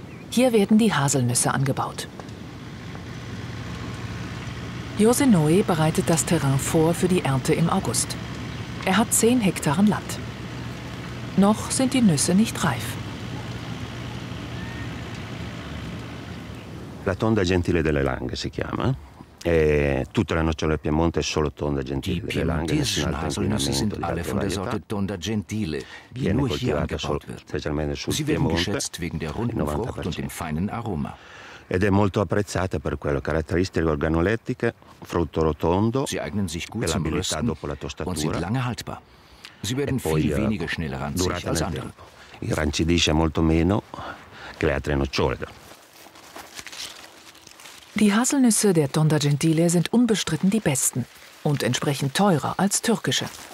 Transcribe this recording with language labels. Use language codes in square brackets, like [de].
[de] Hier werden die Haselnüsse angebaut. Jose Noe bereitet das Terrain vor für die Ernte im August. Er hat 10 Hektar Land. Noch sind die Nüsse nicht reif. [it] La tonda gentile delle Langhe si chiama. Tutta la nocciola del Piemonte è solo tonda gentile. [de] Die Piemontesischen sind alle von der Sorte tonda gentile, die nur hier angebaut wird. Sie werden geschätzt wegen der runden Frucht und dem feinen Aroma. [it] Ed è molto apprezzata per quello, caratteristiche organolettiche, frutto rotondo, [de] sie eignen sich gut zum Rösten [it] dopo la tostatura, [de] und sind lange haltbar. Sie werden viel weniger schnell ranzig als andere. [it] Irrancidisce molto meno che le altre nocciole. [de] Die Haselnüsse der Tonda Gentile sind unbestritten die besten und entsprechend teurer als türkische.